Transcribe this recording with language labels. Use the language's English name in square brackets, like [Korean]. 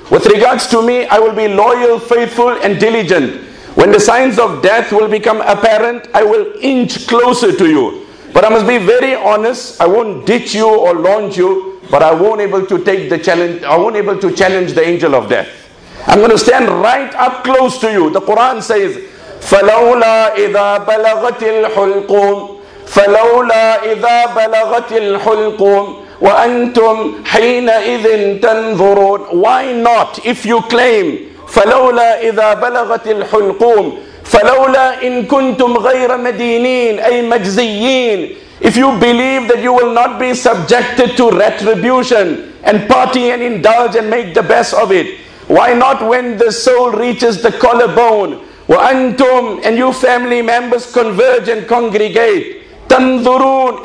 [English] With regards to me, I will be loyal, faithful and diligent. When the signs of death will become apparent, I will inch closer to you. But I must be very honest, I won't ditch you or launch you, but I won't able to take the challenge. I won't able to challenge the angel of death. I'm going to stand right up close to you. The Quran says, [Arabic] فَلَوْلَا إِذَا بَلَغَتِ الْحُلْقُونَ فَلَوْلَا إِذَا بَلَغَتِ الْحُلْقُونَ وَأَنْتُمْ حِينَئِذٍ تَنْظُرُونَ. [English] Why not? If you claim, [Arabic] فَلَوْلَا إِذَا بَلَغَتِ الْحُلْقُونَ فَلَوْلَا إِن كُنْتُمْ غَيْرَ مَدِينِينَ أَيْ مَجْزِيِّينَ. [English] If you believe that you will not be subjected to retribution and party and indulge and make the best of it, why not when the soul reaches the collarbone? [Arabic] وَأَنْتُمْ. [English] And you family members converge and congregate. [Arabic] تَنْظُرُونَ.